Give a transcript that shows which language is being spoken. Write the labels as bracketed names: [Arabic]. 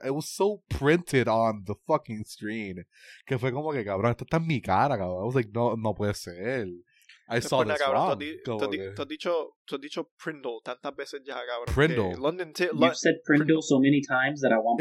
[English] It was so printed on the fucking screen. [Spanish] Que fue como que, cabrón, esto está en mi cara, cabrón. [English] I was like, [Spanish] no puede ser. [English] I saw this wrong. [Spanish] Tú has dicho Prindle tantas veces ya, cabrón. Prindle. [English] London You've said Prindle so many times that I want